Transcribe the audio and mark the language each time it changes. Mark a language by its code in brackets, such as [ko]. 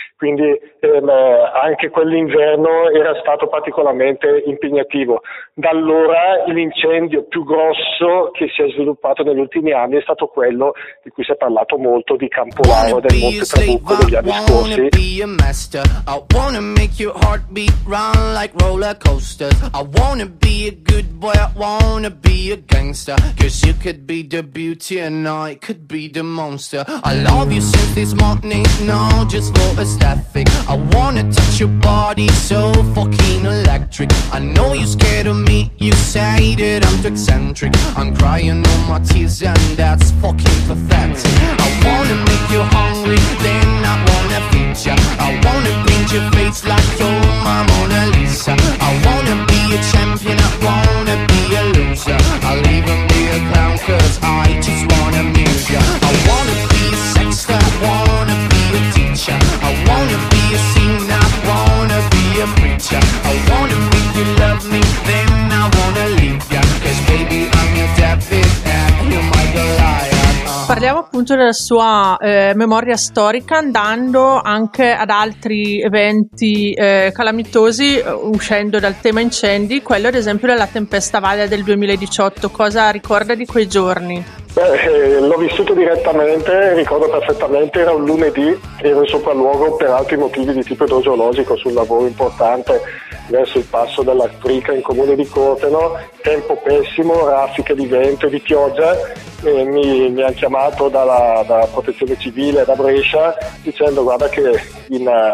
[it] Quindi anche quell'inverno era stato particolarmente impegnativo. Da allora l'incendio più grosso che si è sviluppato negli ultimi anni è stato quello di cui si è parlato molto, di Campolano e del Monte Trabucco degli anni scorsi. [en] I wanna make your heartbeat run like roller coasters. I wanna be a good boy, I wanna be a gangster. Cause you could be the beauty and I could be the monster. I love you since this morning, no, just for aesthetic. I wanna touch your body so fucking electric. I know you're scared of me, you say that I'm too eccentric. I'm crying all my tears and that's fucking pathetic. I wanna make you hungry, then I wanna feed ya. I wanna paint your face like you're my Mona Lisa. I wanna be a champion, I wanna be a loser. I'll even be a clown cause I just wanna amuse ya. I wanna be a sexter, I wanna be a teacher. I wanna be a singer, I wanna be a preacher. I wanna make you love me, then I wanna leave ya. Cause baby I'm your David and you're my Goliath. [it] Parliamo appunto della sua memoria storica, andando anche ad altri eventi calamitosi, uscendo dal tema incendi, quello ad esempio della tempesta Vaia del 2018. Cosa ricorda di quei giorni? Beh, l'ho vissuto direttamente, ricordo perfettamente, era un lunedì, ero in sopralluogo per altri motivi di tipo idrogeologico, sul lavoro importante verso il passo della Crica in comune di Corteno, tempo pessimo, raffiche di vento e di pioggia, e mi hanno chiamato dalla protezione civile da Brescia dicendo: guarda che in